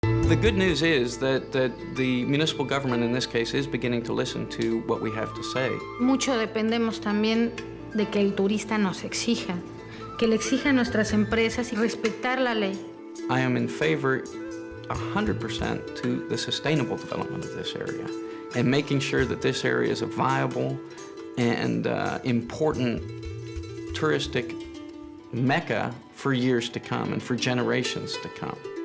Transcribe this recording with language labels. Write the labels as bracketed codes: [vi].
[en] The good news is that the municipal government in this case is beginning to listen to what we have to say. [es] Mucho dependemos también de que el turista nos exija, que le exija a nuestras empresas y respetar la ley. [en] I am in favor 100% to the sustainable development of this area and making sure that this area is a viable and important touristic mecca for years to come and for generations to come.